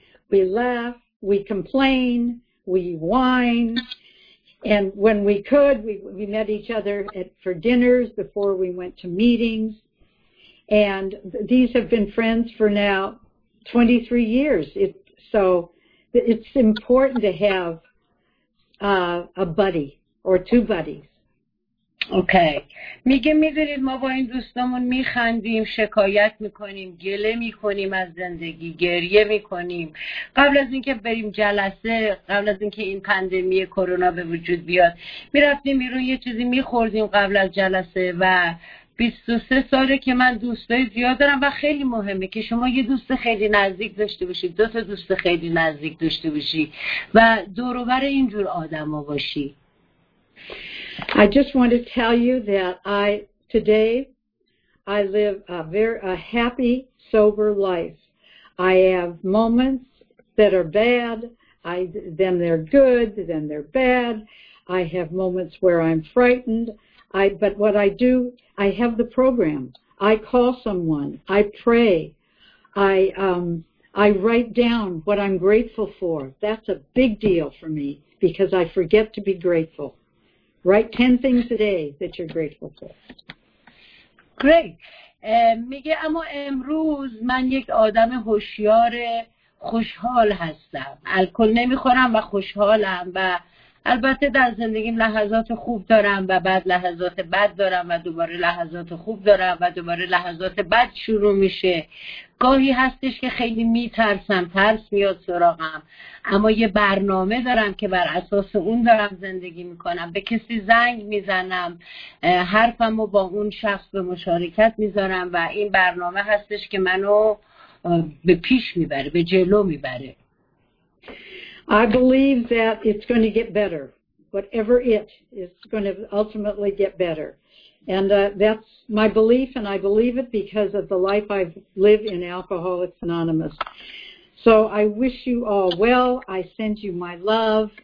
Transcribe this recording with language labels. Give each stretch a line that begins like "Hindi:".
English: We laugh, we complain, we whine, and when we could, we met each other for dinners before we went to meetings, and these have been friends for now 23 years. It's important to have a buddy or two buddies.
Persian: اوکی. میگه میدونید ما با این دوستامون میخندیم، شکایت میکنیم، گله میکنیم از زندگی، گریه میکنیم. قبل از اینکه بریم جلسه، قبل از اینکه این پندمی کرونا به وجود بیاد، میرفتیم بیرون یه چیزی میخوردیم قبل از جلسه. و 23 ساله که من دوستای زیاد دارم و خیلی مهمه که شما یه دوست خیلی نزدیک داشته باشی، دو تا دوست خیلی نزدیک داشته باشی و دور و بر اینجور آدما باشی.
English: I just want to tell you that today I live a very happy, sober life. I have moments that are bad, then they're good, then they're bad. I have moments where I'm frightened. But what I do, I have the program. I call someone. I pray. I write down what I'm grateful for. That's a big deal for me because I forget to be grateful. Write 10 things a day that you're grateful for. Great.
Persian: میگه اما امروز من یک آدم هوشیار خوشحال هستم. الکل نمیخورم و خوشحالم و البته در زندگیم لحظات خوب دارم و بعد لحظات بد دارم و دوباره لحظات خوب دارم و دوباره لحظات بد شروع میشه. گاهی هستش که خیلی میترسم، ترس میاد سراغم، اما یه برنامه دارم که بر اساس اون دارم زندگی میکنم. به کسی زنگ میزنم، حرفم رو با اون شخص به مشارکت میذارم و این برنامه هستش که منو به پیش میبره، به جلو میبره.
English: I believe that it's going to get better. Whatever it is, going to ultimately get better. And that's my belief, and I believe it because of the life I've lived in Alcoholics Anonymous. So I wish you all well. I send you my love.